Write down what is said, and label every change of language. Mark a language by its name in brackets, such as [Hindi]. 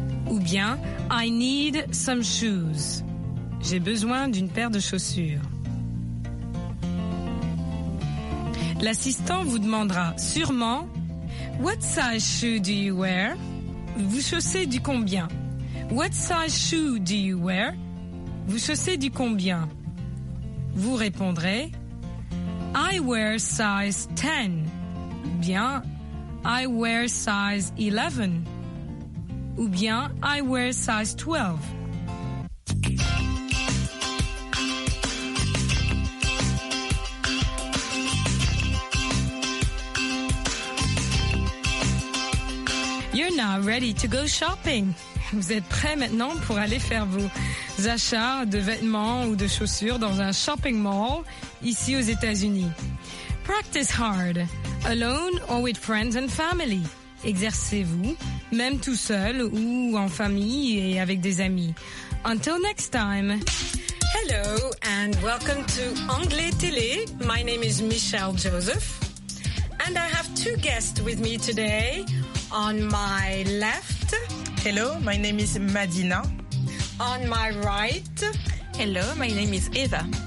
[French] Ou bien [English] I need some shoes. [French] J'ai besoin d'une paire de chaussures. L'assistant vous demandera sûrement [English] What size shoe do you wear? [French] Vous chaussez du combien? [English] What size shoe do you wear? [French] Vous chaussez du combien? Vous répondrez [English] I wear size 10. [French] Bien, [English] I wear size 11. [French] Ou bien, [English] I wear size 12. You're now ready to go shopping. [French] Vous êtes prêt maintenant pour aller faire vos achats de vêtements ou de chaussures dans un shopping mall ici aux États-Unis. [English] Practice hard, alone or with friends and family. [French] Exercez-vous, même tout seul ou en famille et avec des amis. [English] Until next time. Hello and welcome to Anglais Télé. My name is Michelle Joseph. And I have two guests with me today. On my left. Hello, my name is Madina. On my right. Hello, my name is Eva.